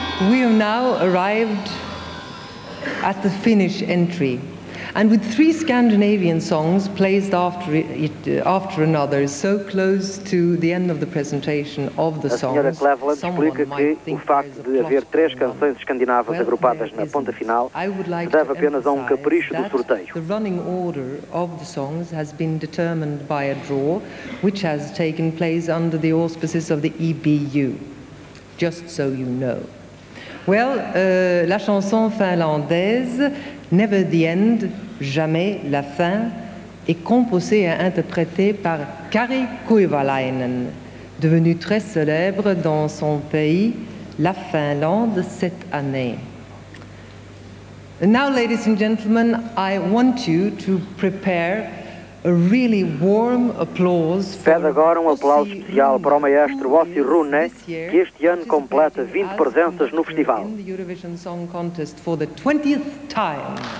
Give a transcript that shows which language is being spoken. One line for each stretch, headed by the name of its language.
English: We have now arrived at the Finnish entry, and with three Scandinavian songs placed after another, so close to the end of the presentation of the songs.
Portuguese: A senhora Cleveland explica que o facto de haver três canções escandinavas agrupadas na ponta final deve apenas a capricho do sorteio.
English: The running order of the songs has been determined by a draw, which has taken place under the auspices of the EBU. Just so you know.
French: Well, la chanson finlandaise, Never the End, Jamais la Fin, est composée et interprétée par Kari Kuivalainen, devenu très célèbre dans son pays, la Finlande, cette année.
English: And now, ladies and gentlemen, I want you to prepare a really warm applause.
Portuguese: Pede agora aplauso especial para o maestro Ossi Rune, que este ano completa 20 presenças no festival.
English: In the Eurovision Song Contest for the 20th time.